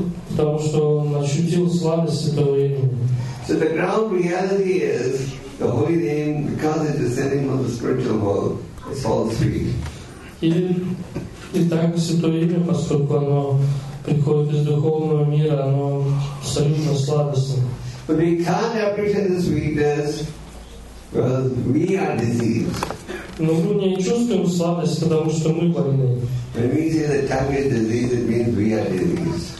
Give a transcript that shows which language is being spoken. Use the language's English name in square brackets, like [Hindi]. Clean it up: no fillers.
[Russian] Потому что он ощутил сладость Святого Имени. [English] So the ground reality is the holy name, because it is descending on the spiritual world, it's all sweet. [Russian] И И так Святое Имя, поскольку оно приходит из духовного мира, оно абсолютно сладостное. [English] But we can't appreciate the sweetness because we are diseased. [Russian] Но мы не чувствуем сладость, потому что мы больны. [English] When we say the tongue is diseased, it means we are diseased.